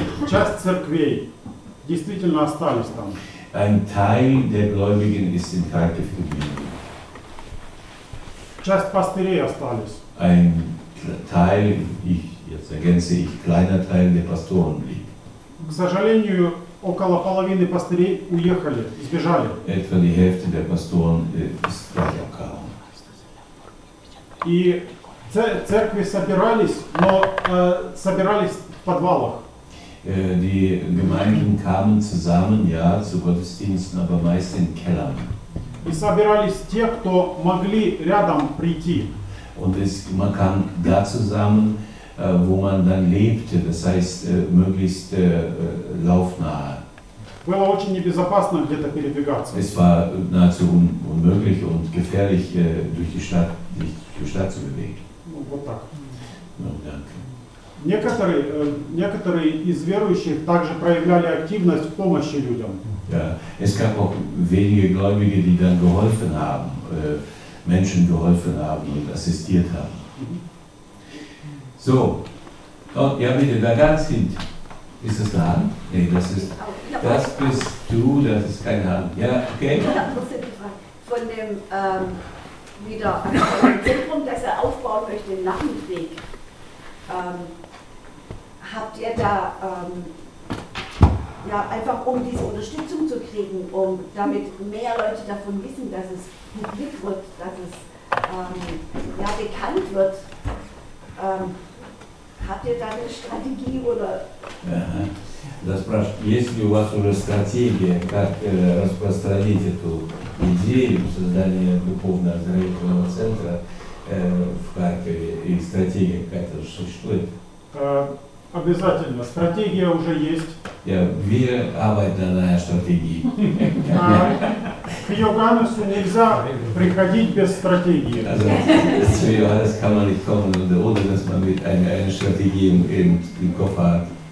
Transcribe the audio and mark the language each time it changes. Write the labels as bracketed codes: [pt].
[ru] Часть церквей действительно остались там. [de] Ein Teil der Gläubigen ist in Kharkiv geblieben. [ru] Часть пастырей остались. [de] Ein Teil, jetzt ergänze ich, kleiner Teil der Pastoren blieb. [ru] К сожалению, около половины пастырей уехали, сбежали. [de] Etwa die Hälfte der Pastoren ist weggegangen. [ru] И церкви собирались, но собирались в подвалах. [de] Die Gemeinden kamen zusammen, ja, zu Gottesdiensten, aber meist in Kellern. [ru] И собирались те, кто могли рядом прийти. [de] Und man kam da zusammen, wo man dann lebte, das heißt, möglichst laufnahe. [ru] Было очень небезопасно где-то передвигаться. [de] Es war nahezu unmöglich und gefährlich, durch die Stadt zu bewegen. [ru] Ну, вот так. [de] Ну, danke. [ru] Некоторые из верующих также проявляли активность в помощи людям. [de] Ja, es gab auch wenige Gläubige, die dann geholfen haben, Menschen geholfen haben und assistiert haben. So, oh, ja bitte, da ganz hinten. Ist das da? Nee, das ist. Das bist du, das ist keine Hand. Ja, okay. Ich habe noch eine Frage. Von dem wieder ein Zentrum, das er aufbauen möchte nach dem Krieg. Habt ihr da ja einfach um diese Unterstützung zu kriegen, um damit mehr Leute davon wissen, dass es publik wird, dass es ja bekannt wird. Habt ihr da eine Strategie oder? [ru] Да спрашивают, есть ли у вас уже стратегия, как распространить эту идею создания духовно оздоровительного центра в Харькове? И стратегия какая-то существует? Обязательно. Стратегия уже есть. Я вижу, обойденная стратегия. К Йоганнесу нельзя приходить без стратегии. [de] Zu Johannes kann man nicht kommen, ohne dass man mit einer Strategie im Kopf hat.